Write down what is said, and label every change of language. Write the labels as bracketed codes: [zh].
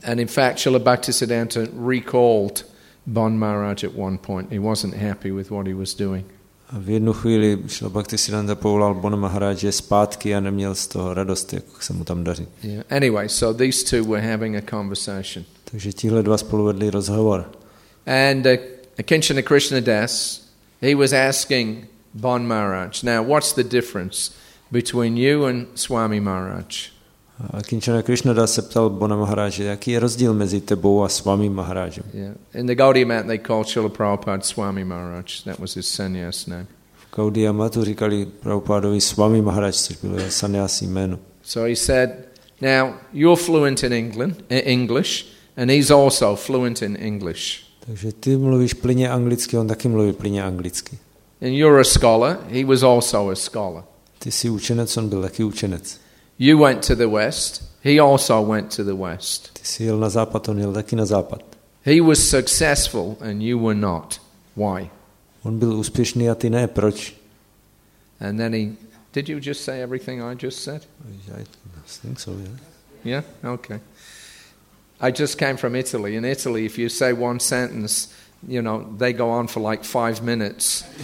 [en] And in fact, Srila Bhaktisiddhanta recalled Bon Maharaj at one point. He wasn't happy with what he was doing. [cs] A v jednu chvíli Srila Bhaktisiddhanta povolal Bon Maharaje zpátky a neměl z toho radost, jak se mu tam daří. [en] Yeah. Anyway, so these two were having a conversation. [cs] Takže tihle dva spolu vedli rozhovor. [en] And Akinchana Krishna Das, he was asking Bon Maharaj, now what's the difference between you and Swami Maharaj? [cs] Akinchana Krishna Das se ptal Bona Maharaje, jaký je rozdíl mezi tebou a Swami Maharajem? [en] Yeah. In the Gaudiya Mat, they called Srila Prabhupada Swami Maharaj. That was his sannyas name. [cs] V Gaudiya Matu říkali Prabhupádovi Swami Maharaj, což bylo jeho sannyas jméno. [en] So he said, now you're fluent in English, and he's also fluent in English. [cs] Takže ty mluvíš plyně anglicky, on taky mluví plyně anglicky. [en] And you're a scholar, he was also a scholar. [cs] Ty jsi učenec, on byl taky učenec. [en] You went to the West, he also went to the West. [cs] Ty jsi jel na západ, on jel taky na západ. [en] He was successful and you were not. Why? [cs] On byl úspěšný a ty ne, proč? [en] And then did you just say everything I just said? I think so, yeah. Yeah, okay. I just came from Italy. In Italy, if you say one sentence, you know, they go on for like 5 minutes.